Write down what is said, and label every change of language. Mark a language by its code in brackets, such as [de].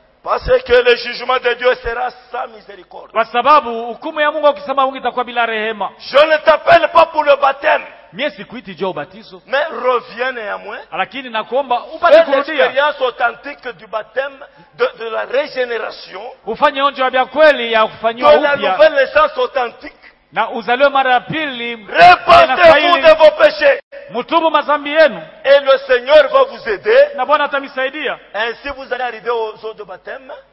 [fr] Parce que le jugement de Dieu sera sans miséricorde. [sw] Kwa sababu hukumu ya Mungu akisema Mungu itakuwa bila rehema. [fr] Je ne t'appelle pas pour le baptême. [sw] Mie sikuiti jo ubatizo. [fr] Mais reviens à moi. [sw] Lakini nakuomba upate kurudia. [fr] Fais l'expérience authentique du baptême de la régénération. [sw] Ufanye onjo ya kweli ya kufanywa upya. [fr] De la nouvelle naissance authentique. [sw] Na uzaliwe mara ya pili. [fr] Repentez-vous de vos péchés. [sw] Mutubu mazambi yenu. [fr] Et le Seigneur va vous aider. [sw] Na Bwana atamisaidia. [fr] Ainsi vous allez arriver au jour du baptême.